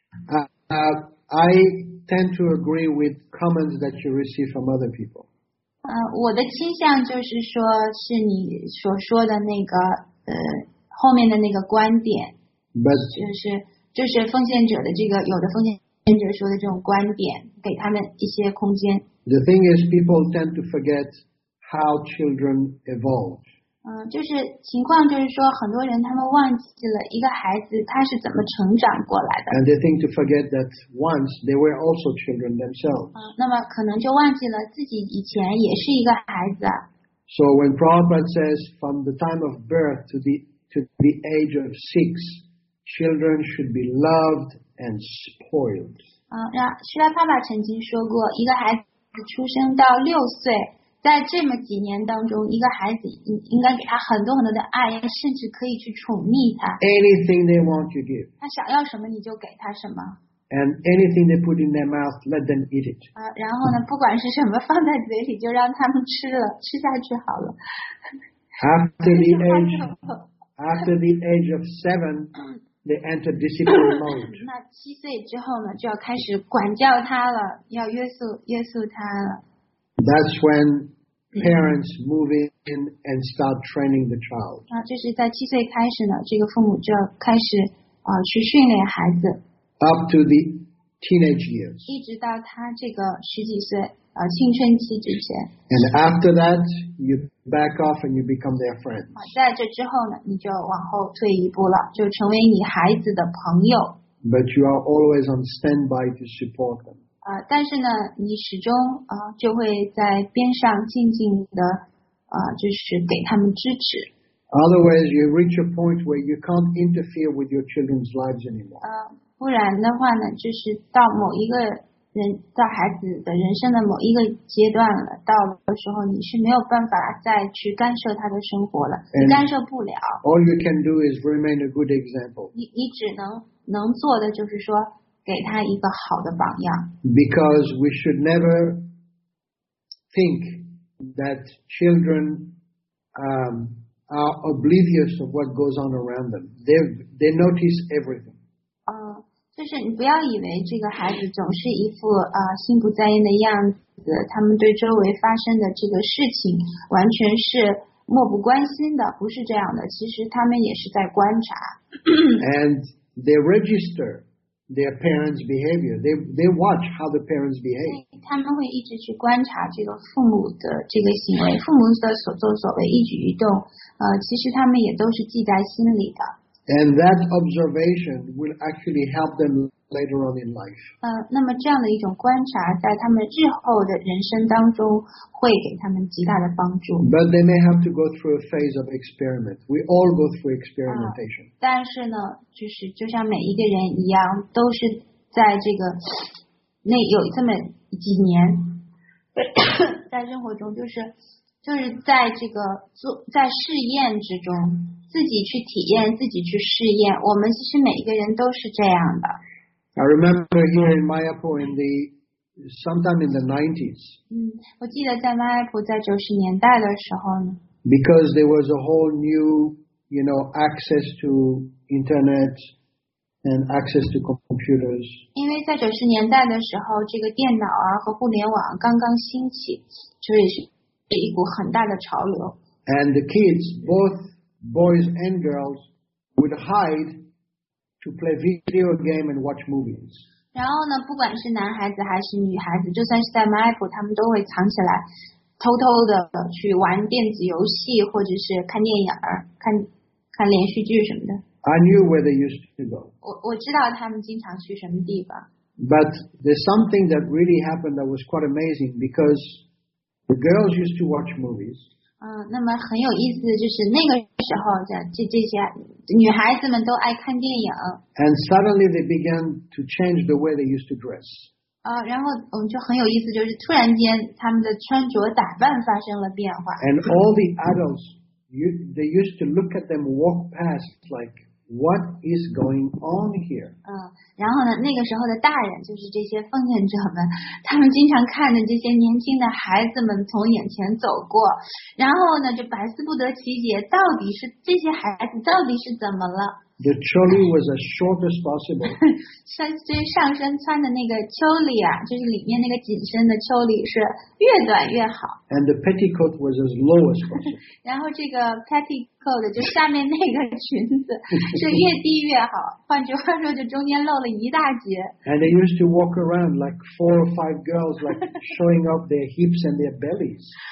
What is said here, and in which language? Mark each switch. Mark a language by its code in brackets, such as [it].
[en] I tend to agree with comments that you receive from other people. [zh] 我的倾向就是说是你所说的那个后面的那个观点。 [en] But [zh] 就是奉献者的这个有的奉献者说的这种观点，给他们一些空间。 [en] The thing is, people tend to forget how children evolve. [zh] 就是情况就是说，很多人他们忘记了一个孩子他是怎么成长过来的。 [en] And they think to forget that once they were also children themselves. [zh] 那么可能就忘记了自己以前也是一个孩子。 [en] So when Prabhupada says from the time of birth to the age of six, children should be loved and spoiled. [zh] 那虽然爸爸曾经说过，一个孩子出生到六岁。在这么几年当中，一个孩子应该给他很多很多的爱，甚至可以去宠溺他。 [en] Anything they want you give. [zh] 他想要什么你就给他什么。 [en] And anything they put in their mouth, let them eat it. [zh] 然后呢，不管是什么放在嘴里，就让他们吃了，吃下去好了。 [en] After the age of seven, they enter discipline mode. [zh] 那七岁之后呢，就要开始管教他了，要约束他了。 [en] That's when parents move in and start training the child. [zh] 就是在七岁开始呢，这个父母就要开始去训练孩子。 [en] Up to the teenage years. [zh] 一直到他这个十几岁青春期之前。 [en] And after that, you back off and you become their friends. [zh] 在这之后呢，你就往后退一步了，就成为你孩子的朋友。 [en] But you are always on standby to support them. [zh] 但是呢，你始终就会在边上静静的就是给他们支持。 [en] Otherwise, you reach a point where you can't interfere with your children's lives anymore. [zh] 不然的话呢，就是到某一个人到孩子的人生的某一个阶段了，到的时候你是没有办法再去干涉他的生活了，你干涉不了。 [en] All you can do is remain a good example. [zh] 你只能做的就是说给他一个好的榜样。 [en] Because we should never think that children are oblivious of what goes on around them. They notice everything. [zh] 就是你不要以为这个孩子总是一副心不在焉的样子，他们对周围发生的这个事情完全是漠不关心的，不是这样的，其实他们也是在观察。 [en] And they register their parents' behavior. They watch how the parents behave. [zh] 他们会一直去观察这个父母的这个行为，父母的所作所为，一举一动，其实他们也都是记在心里的。 [en] And that observation will actually help them later on in life. [zh] 那么这样的一种观察在他们日后的人生当中会给他们极大的帮助。 [en] But they may have to go through a phase of experiment. We all go through experimentation. [zh] 但是呢，就是就像每一个人一样，都是在这个那有这么几年，在生活中就是在这个做在试验之中。自己去体验，自己去试验。我们其实每一个人都是这样的。 [en] I remember here in Mayapur in the sometime in the 90s. [zh] 我记得在 Mayapur 在90年代的时候呢。 [en] Because there was a whole new, you know, access to internet and access to computers. [zh] 因为在90年代的时候，这个电脑啊和互联网刚刚兴起，所以是一股很大的潮流。 [en] And the kids both boys and girls would hide to play video game and watch movies. [zh] 然后呢，不管是男孩子还是女孩子，就算是在 Maple， 他们都会藏起来，偷偷的去玩电子游戏，或者是看电影儿、看连续剧什么的。 [en] I knew where they used to go. [zh] 我知道他们经常去什么地方。 [en] But there's something that really happened that was quite amazing because the girls used to watch movies. [zh] 那么很有意思的就是那个时候这些女孩子们都爱看电影。 [en] And suddenly they began to change the way they used to dress. [zh] 然后我们就很有意思，就是突然间他们的穿着打扮发生了变化。 [en] And all the adults, they used to look at them walk past like, what is going on here? [zh] 然后呢，那个时候的大人就是这些奉献者们，他们经常看着这些年轻的孩子们从眼前走过，然后呢，就百思不得其解，到底是这些孩子到底是怎么了？ [en] The choli was as short as possible. [zh] 上身穿的那个秋里啊，就是里面那个紧身的秋里是越短越好。 [en] And the petticoat was as low as possible. [zh] 然后这个 petticoat 就下面那个裙子是越低越好，换句话说就中间露了一大截。 [en] And they used to walk around like four or five girls like showing off their hips and their bellies.